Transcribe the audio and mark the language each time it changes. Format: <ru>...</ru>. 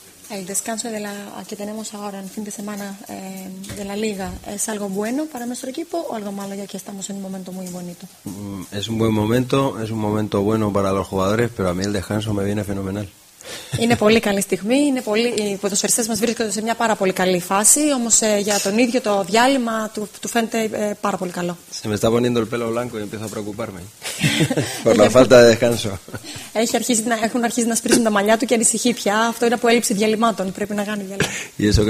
<es>El descanso de la que tenemos ahora en fin de semana de la liga es algo bueno para nuestro equipo o algo malo ya que estamos en un momento muy bonito. Es un buen momento, es un momento bueno para los jugadores, pero a mí el descanso me viene fenomenal.</es> <el>Είναι πολύ καλή στιγμή, οι ποδοσφαιριστές μας βρίσκονται σε μια πάρα πολύ καλή φάση, όμως για τον ίδιο το διάλειμμα του φαίνεται πάρα πολύ καλό.</el> <es>Se me está poniendo el pelo blanco y empiezo a preocuparme por la falta de descanso.</es> <el>Έχουν αρχίσει να σπρίζουν τα μαλλιά του και ανησυχεί πια. Αυτό είναι από έλλειψη διαλυμάτων, πρέπει να κάνει διάλειμμα.</el>